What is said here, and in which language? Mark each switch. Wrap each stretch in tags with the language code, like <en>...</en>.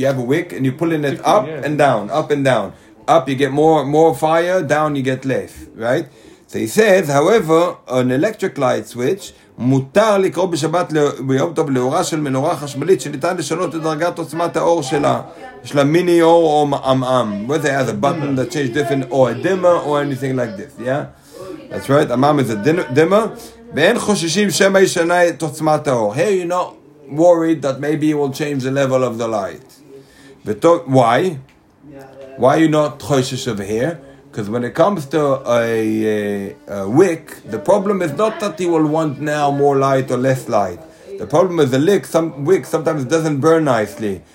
<en>You have a wick and you're pulling it up and down, up and down. Up you get more fire, down you get less, right? So he says, however, an electric light switch</en> <he>מותר לקרוא בשבת ביום טוב לאורה של מנורה חשמלית שניתן לשנות את דרגת עוצמת האור שלה, יש לה מיני אור או מעמעם.</he> <en>Whether it has a button that changes different or a dimmer or anything like this, yeah? That's right, המעמעם is a dimmer.</en> <he>ואין חוששים שמה ישנה את עוצמת האור.</he> <en>Here you're not worried that maybe it will change the level of the light. Why? Why you not choshish over here? Because when it comes to a wick, the problem is not that he will want now more light or less light. The problem is the wick sometimes doesn't burn nicely.</en>